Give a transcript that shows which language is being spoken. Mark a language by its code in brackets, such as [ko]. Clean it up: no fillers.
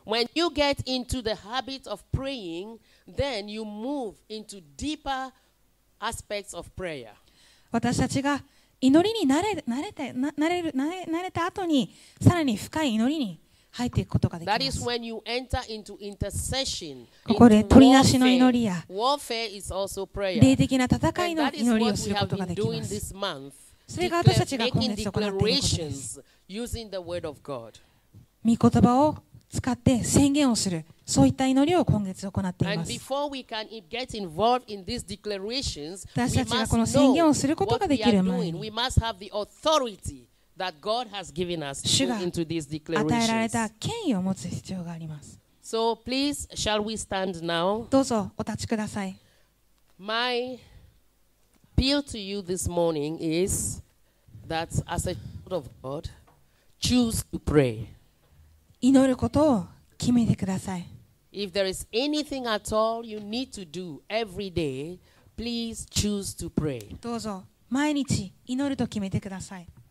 [en] When you get into the habit of praying, then you move into deeper aspects of prayer. [ja] 私たちが祈りに慣れた後にさらに深い祈りに入っていくことができます。 [en] That is when you enter into intercession. [ja] ここで取りなしの祈りや [en] warfare is also prayer. [ja] 霊的な戦いの祈りをすることができます [en] Declaring declarations using the word of God. [ja] 御言葉を使って宣言をする、そういった祈りを今月行っています。 [en] And before we can get involved in these declarations, [ja] 私たちがこの宣言をすることができる前に、 [en] we must have the authority. That God has given us into these declarations. [ja] 与えられた権威を持つ必要があります。 [en] So please, shall we stand now? [ja] どうぞお立ちください。 [en] My appeal to you this morning is that as a child of God, choose to pray. [ja] 祈ることを決めてください。 [en] If there is anything at all you need to do every day, please choose to pray. [ja] どうぞ毎日祈ると決めてください。